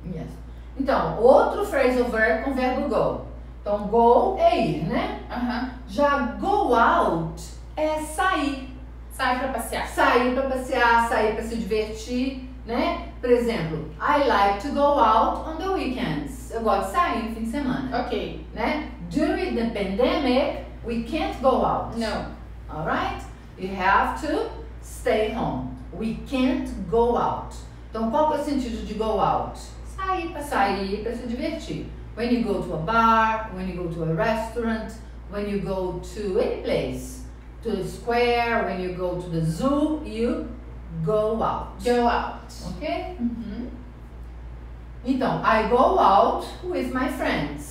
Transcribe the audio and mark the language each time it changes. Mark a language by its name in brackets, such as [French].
[Portuguese] Yes. Então, outro phrasal verb com verbo go. Então, go é ir, né? Uh-huh. Já go out é sair. Sair para passear. Sair para passear, sair para se divertir, né? Por exemplo, [English] I like to go out on the weekends. [Portuguese] Eu gosto de sair no fim de semana. [English] Ok. Né? During the pandemic, we can't go out. No. All right? You have to stay home. We can't go out. [Portuguese] Então, qual que é o sentido de go out? Sair para sair, para se divertir. [English] When you go to a bar, when you go to a restaurant, when you go to any place, to the square, when you go to the zoo, you go out. Go out. Okay? Mm-hmm. Então, I go out with my friends.